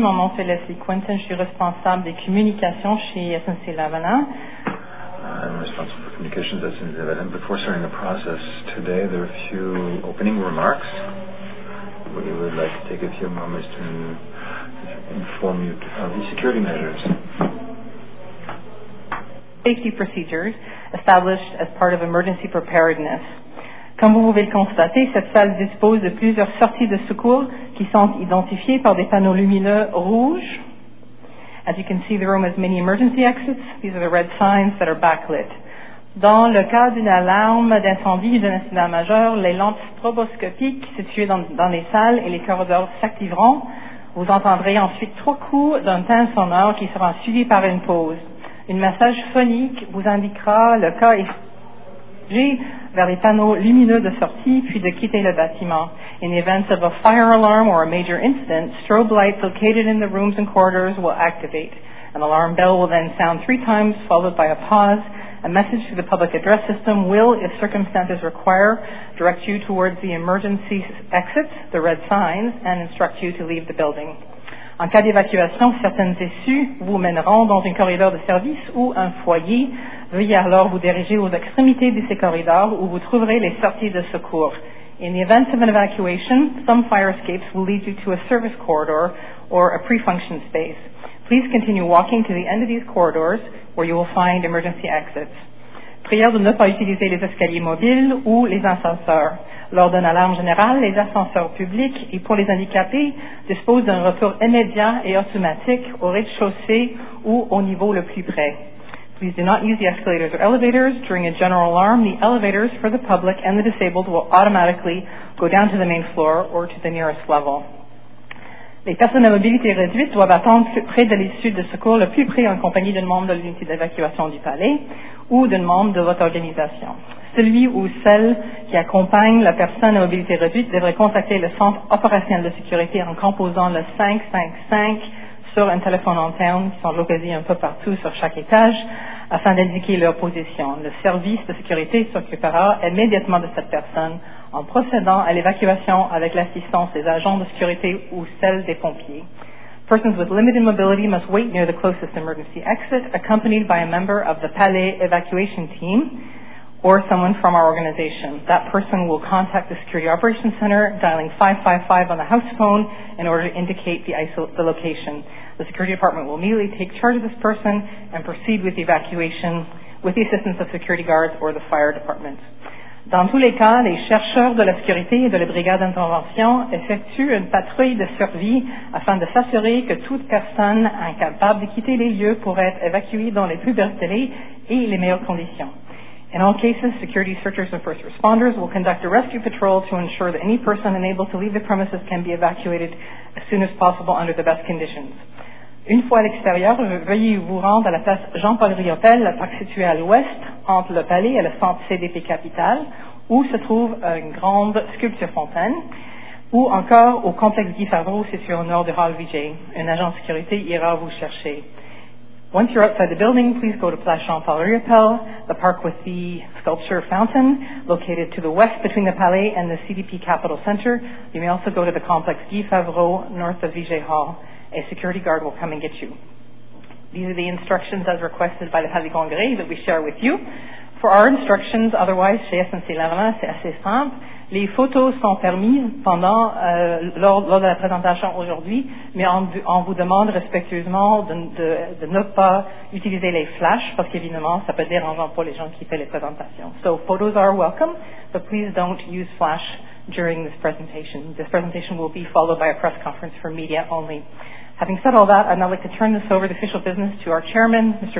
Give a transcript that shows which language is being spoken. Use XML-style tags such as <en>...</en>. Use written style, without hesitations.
<fr>Mon nom c'est Leslie Quentin, je suis responsable des communications chez SNC-Lavalin.</fr> <en>I'm responsible for communications at SNC-Lavalin. Before starting the process today, there are a few opening remarks. We would like to take a few moments to inform you of the security measures. Safety procedures established as part of emergency preparedness.</en> <fr>Comme vous pouvez le constater, cette salle dispose de plusieurs sorties de secours qui sont identifiées par des panneaux lumineux rouges.</fr> <en>As you can see, the room has many emergency exits. These are the red signs that are backlit.</en> <fr>Dans le cas d'une alarme d'incendie ou d'un incident majeur, les lampes stroboscopiques situées dans les salles et les corridors s'activeront. Vous entendrez ensuite trois coups d'un tintin sonore qui sera suivi par une pause. Une message phonique vous indiquera le cas et vers les panneaux lumineux de sortie, puis de quitter le bâtiment.</fr> <en>In the event of a fire alarm or a major incident, strobe lights located in the rooms and corridors will activate. An alarm bell will then sound three times, followed by a pause. A message to the public address system will, if circumstances require, direct you towards the emergency exits, the red signs, and instruct you to leave the building.</en> <fr>En cas d'évacuation, certaines issues vous mèneront dans un corridor de service ou un foyer. Veuillez alors vous diriger aux extrémités de ces corridors où vous trouverez les sorties de secours.</fr> <en>In the event of an evacuation, some fire escapes will lead you to a service corridor or a pre-function space. Please continue walking to the end of these corridors where you will find emergency exits.</en> <fr>Priez de ne pas utiliser les escaliers mobiles ou les ascenseurs. Lors d'une alarme générale, les ascenseurs publics et pour les handicapés disposent d'un retour immédiat et automatique au rez-de-chaussée ou au niveau le plus près.</fr> <en>Please do not use the escalators or elevators. During a general alarm, the elevators for the public and the disabled will automatically go down to the main floor or to the nearest level.</en> <fr>Les personnes à mobilité réduite doivent attendre près de l'issue de secours le plus près en compagnie d'un membre de l'unité d'évacuation du palais ou d'un membre de votre organisation. Celui ou celle qui accompagne la personne à mobilité réduite devrait contacter le centre opérationnel de sécurité en composant le 555 sur un téléphone interne qui sont localisés un peu partout sur chaque étage afin d'indiquer leur position. Le service de sécurité s'occupera immédiatement de cette personne en procédant à l'évacuation avec l'assistance des agents de sécurité ou celle des pompiers.</fr> <en>Persons with limited mobility must wait near the closest emergency exit accompanied by a member of the Palais Evacuation Team or someone from our organization. That person will contact the Security Operations Center, dialing 555 on the house phone in order to indicate the location. The Security Department will immediately take charge of this person and proceed with the evacuation with the assistance of security guards or the fire department.</en> <fr>Dans tous les cas, les chercheurs de la sécurité et de la brigade d'intervention effectuent une patrouille de survie afin de s'assurer que toute personne incapable de quitter les lieux pourrait être évacuée dans les plus brefs délais et les meilleures conditions.</fr> <en>In all cases, security searchers and first responders will conduct a rescue patrol to ensure that any person unable to leave the premises can be evacuated as soon as possible under the best conditions.</en> <fr>Une fois à l'extérieur, veuillez vous rendre à la place Jean-Paul Riopelle, la parc située à l'ouest entre le palais et le centre CDP Capital, où se trouve une grande sculpture fontaine, ou encore au complexe Guy Favreau situé au nord de Hall Vigée. Un agent de sécurité ira vous chercher.</fr> <en>Once you're outside the building, please go to Place Jean-Paul Riopelle, the park with the sculpture fountain, located to the west between the Palais and the CDP Capital Center. You may also go to the complex Guy Favreau, north of Vigée Hall. A security guard will come and get you. These are the instructions as requested by the Palais Congrès that we share with you. For our instructions, otherwise,</en> <fr>chez SNC-Lavalin, c'est assez simple. Les photos sont permises pendant lors de la présentation aujourd'hui, mais on vous demande respectueusement de ne pas utiliser les flashs parce qu'évidemment ça peut déranger pour les gens qui font les présentations.</fr> <en>So photos are welcome, but please don't use flash during this presentation. This presentation will be followed by a press conference for media only. Having said all that, I'd now like to turn this over to official business to our chairman, Mr.</en>